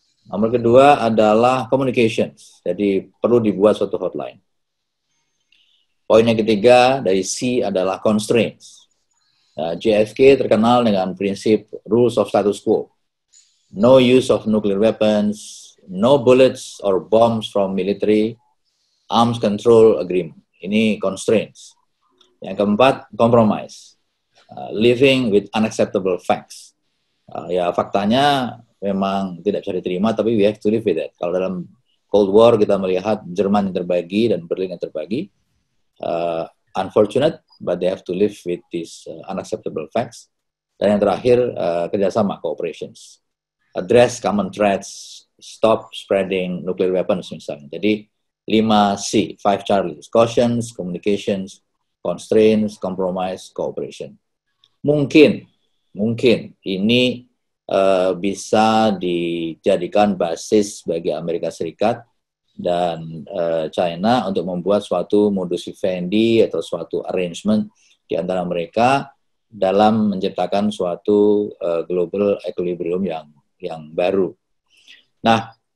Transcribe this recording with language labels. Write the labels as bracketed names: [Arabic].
[Indonesian] Nomor kedua adalah communications, jadi perlu dibuat suatu hotline. Poin yang ketiga dari C adalah constraints. JFK terkenal dengan prinsip [English] rules of status quo. No use of nuclear weapons, no bullets or bombs from military, arms control agreement. [Indonesian] Ini constraints. Yang keempat, compromise. [English] Living with unacceptable facts. [Indonesian] Ya, faktanya memang tidak bisa diterima, tapi [English] we have to live with it. [Indonesian] Kalau dalam Cold War kita melihat Jerman yang terbagi dan Berlin yang terbagi, [English] unfortunate, but they have to live with these unacceptable facts. [Indonesian] Dan yang terakhir, kerjasama, cooperations. [English] Address common threats, stop spreading nuclear weapons, [Indonesian] misalnya. Jadi, 5C, 5 Charlies. [English] Cautions, communications, constraints, compromise, cooperation. [Indonesian] Mungkin ini bisa dijadikan basis bagi Amerika Serikat dan China untuk membuat suatu modus vivendi atau suatu arrangement di antara mereka dalam menciptakan suatu global equilibrium yang baru. Nah,